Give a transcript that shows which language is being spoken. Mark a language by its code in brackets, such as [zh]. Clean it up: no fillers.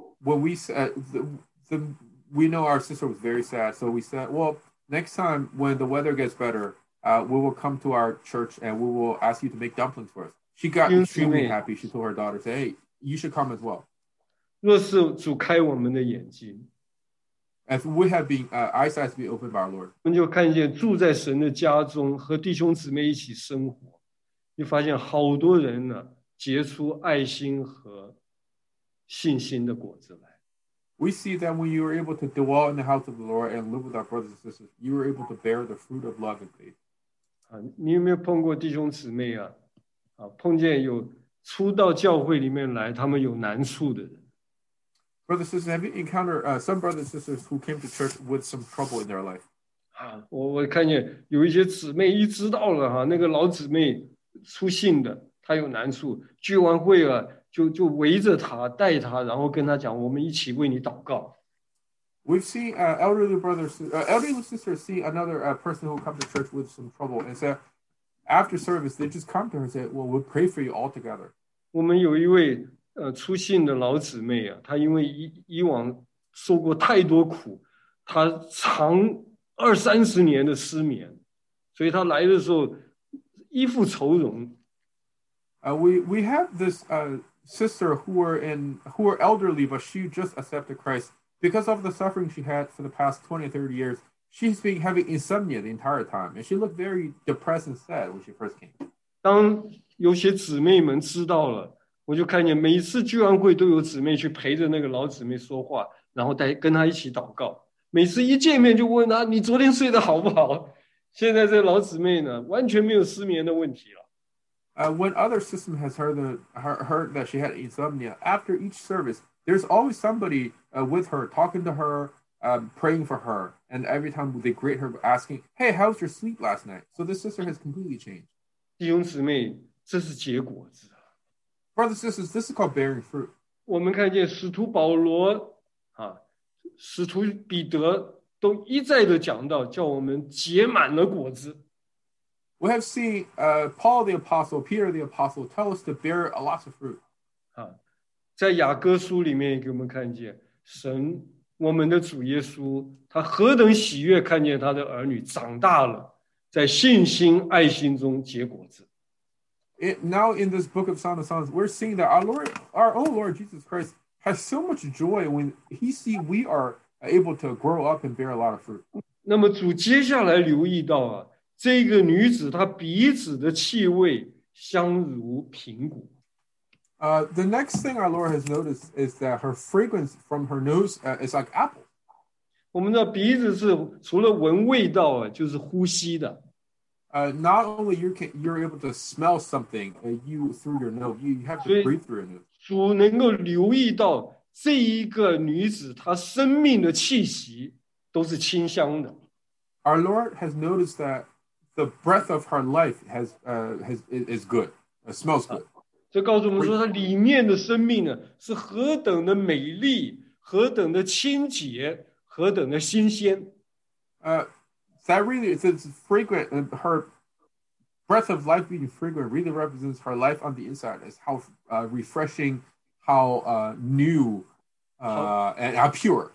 [en] When we said, we know our sister was very sad, so we said, well, next time when the weather gets better, we will come to our church and we will ask you to make dumplings for us. She got extremely happy. She told her daughter, hey, you should come as well. [zh] 若是主开我们的眼睛, [en] if we have been, eyes has been opened by our Lord. [zh] 你就看见住在神的家中和弟兄姊妹一起生活, 你发现好多人呢, 结出爱心和信心的果子来。 [en] We see that when you are able to dwell in the house of the Lord and live with our brothers and sisters, you are able to bear the fruit of love and faith. [zh] 你有没有碰过弟兄姊妹啊？碰见有初到教会里面来，他们有难处的人。 [en] Brothers and sisters, have you encountered some brothers and sisters who came to church with some trouble in their life? [zh] 我看见有一些姊妹一知道了哈，那个老姊妹出信的，她有难处，聚完会啊。就围着他带他，然后跟他讲，我们一起为你祷告。 [en] We've seen elderly sisters see another person who come to church with some trouble and said after service they just come to her and said, "Well, we'll pray for you all together." [zh] 我们有一位出信的老姊妹啊，她因为以往受过太多苦，她长二三十年的失眠，所以她来的时候衣服愁容。 [en] We have this sister who were elderly, but she just accepted Christ because of the suffering she had for the past 20, 30 years. She's been having insomnia the entire time, and she looked very depressed and sad when she first came. [zh] 当有些姊妹们知道了，我就看见每一次聚完会都有姊妹去陪着那个老姊妹说话，然后带跟她一起祷告。每次一见面就问她：“你昨天睡得好不好？” 现在这老姊妹呢，完全没有失眠的问题了。 [en] When other system has heard that she had insomnia, after each service, there's always somebody with her, talking to her, praying for her. And every time they greet her, asking, "Hey, how was your sleep last night?" So this sister has completely changed. [zh] 弟兄姊妹，这是结果子。 [en] Brothers and sisters, this is called bearing fruit. [zh] 我们看见使徒保罗，使徒彼得都一再的讲到，叫我们结满了果子。 [en] We have seen Paul the Apostle, Peter the Apostle, tell us to bear a lot of fruit. [zh] 在雅各书里面给我们看见神，我们的主耶稣，他何等喜悦看见他的儿女长大了，在信心、爱心中结果子。 [en] Now in this book of Song of Songs, we're seeing that our own Lord Jesus Christ has so much joy when he sees we are able to grow up and bear a lot of fruit. [zh] 那么主接下来留意到啊，这个女子她鼻子的气味香如苹果。 [en] The next thing our Lord has noticed is that her fragrance from her nose is like apple. [zh] 我们的鼻子是除了闻味道就是呼吸的。 [en] Not only you're able to smell something through your nose, you have to breathe through your nose. [zh] 主能够留意到这一个女子她生命的气息都是清香的。 [en] Our Lord has noticed that the breath of her life is good, smells good. [zh] 这告诉我们说她里面的生命呢，是何等的美丽，何等的清洁，何等的新鲜。 [en] That really is fragrant, and her breath of life being fragrant really represents her life on the inside as how refreshing, how new, and how pure.